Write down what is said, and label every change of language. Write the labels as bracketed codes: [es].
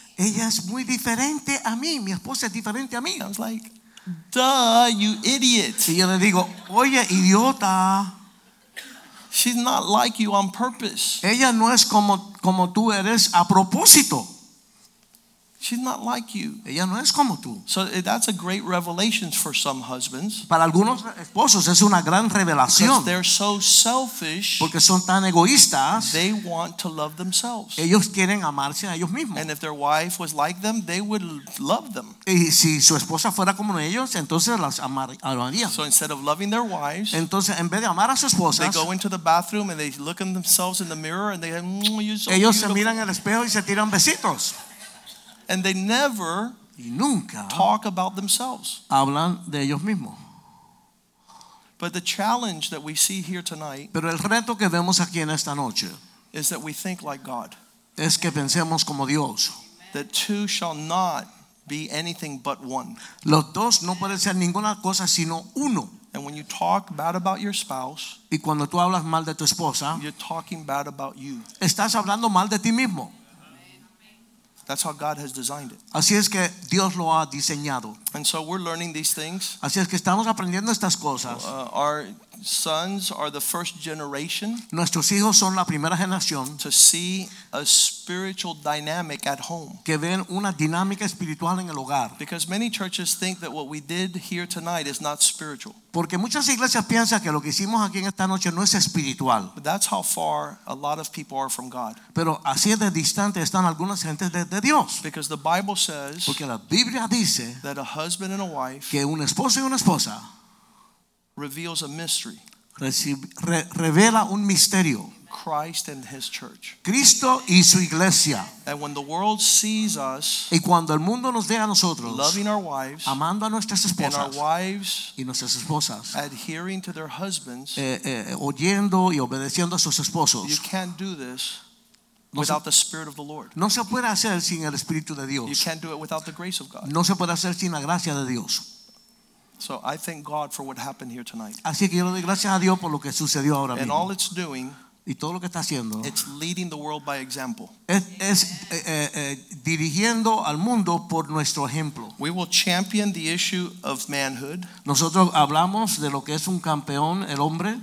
[es] Ella es muy diferente a mí. Mi esposa es diferente a mí. [en] I was like, duh, you idiot. [es] Y yo le digo, oye, idiota. [en] She's not like you on purpose. [es] Ella no es como tú eres a propósito. [en] She's not like you. [es] Ella no es como tú. [en] So that's a great revelation for some husbands. [es] Para algunos esposos es una gran revelación. [en] Because they're so selfish. [es] Porque son tan egoístas. [en] They want to love themselves. [es] Ellos quieren amarse a ellos mismos. [en] And if their wife was like them, they would love them. [es] Y si su esposa fuera como ellos, entonces las amaría. [en] So instead of loving their wives, [es] entonces en vez de amar a sus esposas, [en] they go into the bathroom and they look at themselves in the mirror and they say, "Mmm, you're so [es] ellos [en] beautiful." [es] Se miran al espejo y se tiran besitos. [en] And they never [es] nunca [en] talk about themselves. [es] Hablan de ellos mismos. [en] But the challenge that we see here tonight, [es] pero el reto que vemos aquí en esta noche, [en] is that we think like God. [es] Es que pensemos como Dios. [en] That two shall not be anything but one. [es] Los dos no pueden ser ninguna cosa sino uno. [en] And when you talk bad about your spouse, [es] y cuando tú hablas mal de tu esposa, [en] you're talking bad about you. [es] Estás hablando mal de ti mismo. [en] That's how God has designed it. [es] Así es que Dios lo ha diseñado. [en] And so we're learning these things. [es] Así es que estamos aprendiendo estas cosas. [en] Our sons are the first generation. [es] Nuestros hijos son la primera generación. [en] To see a spiritual dynamic at home. [es] Que ven una dinámica espiritual en el hogar. [en] Because many churches think that what we did here tonight is not spiritual. [es] Porque muchas iglesias piensan que lo que hicimos aquí en esta noche no es espiritual. [en] But that's how far a lot of people are from God. [es] Pero así de distante están algunas gentes de Dios. [en] Because the Bible says, [es] porque la Biblia dice, [en] that a husband and a wife, [es] que un esposo y una esposa, [en] reveals a mystery. [es] Revela un misterio. [en] Christ and his church. [es] Cristo y su iglesia. [en] And when the world sees us, [es] y cuando el mundo nos ve a nosotros, [en] loving our wives, [es] amando a nuestras esposas, [en] and our wives, [es] y nuestras esposas, [en] adhering to their husbands, [es] oyendo y obedeciendo a sus esposos, [en] you can't do this without the Spirit of the Lord. [es] No se puede hacer sin el Espíritu de Dios. [en] You can't do it without the grace of God. [es] No se puede hacer sin la gracia de Dios. [en] So I thank God for what happened here tonight. [es] Así que yo le doy gracias a Dios por lo que sucedió ahora mismo. [en] And all it's doing, [es] y todo lo que está haciendo, [en] it's leading the world by example. [es] Es dirigiendo al mundo por nuestro ejemplo. [en] We will champion the issue of manhood. [es] Nosotros hablamos de lo que es un campeón, el hombre.